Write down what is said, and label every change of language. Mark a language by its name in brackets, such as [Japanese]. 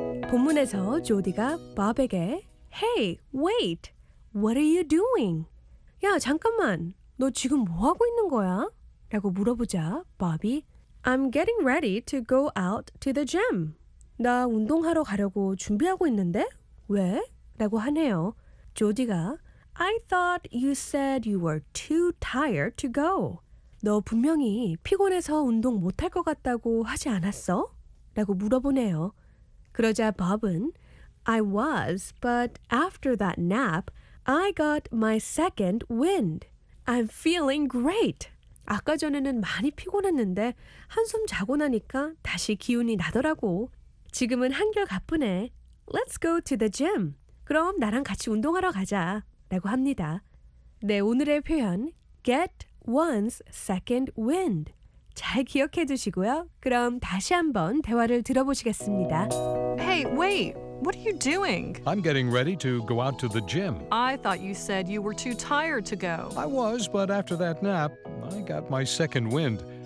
[Korean] 본문에서 조디가 밥에게 [English] Hey, wait! What are you doing? [Korean] 야, 잠깐만! 너 지금 뭐 하고 있는 거야? 라고 물어보자 밥이 [English] I'm getting ready to go out to the gym. [Korean] 나 운동하러 가려고 준비하고 있는데? 왜? 라고 하네요. 조디가 [English] I thought you said you were too tired to go. [Korean] 너 분명히 피곤해서 운동 못할 것 같다고 하지 않았어? 라고 물어보네요. 그러자 밥은 [English] I was, but after that nap, I got my second wind. I'm feeling great. [Korean] 아까 전에는 많이 피곤했는데 한숨 자고 나니까 다시 기운이 나더라고. 지금은 한결가쁘네. [English] Let's go to the gym. [Korean] 그럼 나랑 같이 운동하러 가자. 라고 합니다. 네, 오늘의 표현 [English] Get one's second wind. [Korean] 잘 기억해 두시고요. 그럼 다시 한번 대화를 들어보시겠습니다. [English] Hey, wait. What are you doing? I'm getting ready to go out to the gym. I thought you said you were too tired to go. I was, but after that nap, I got my second wind.